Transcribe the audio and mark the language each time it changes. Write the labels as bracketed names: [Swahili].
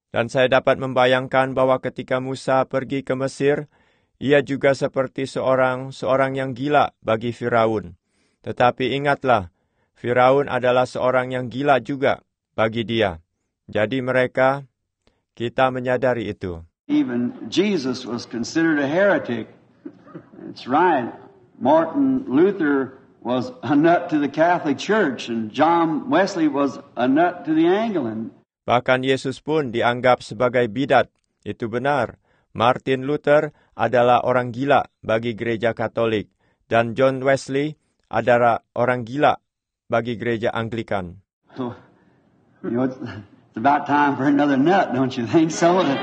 [Indonesian] Dan saya dapat membayangkan bahwa ketika Musa pergi ke Mesir, ia juga seperti seorang yang gila bagi Firaun. Tetapi ingatlah, Firaun adalah seorang yang gila juga bagi dia. Jadi mereka, kita menyadari itu. [English] Even Jesus was considered a heretic. That's right. Martin Luther was a nut to the Catholic Church, and John Wesley was a nut to the Anglican. [Indonesian] Bahkan Yesus pun dianggap sebagai bidat. Itu benar. Martin Luther adalah orang gila bagi gereja Katolik, dan John Wesley adalah orang gila bagi gereja Anglikan. [English] So, you know, it's about time for another nut, don't you think so?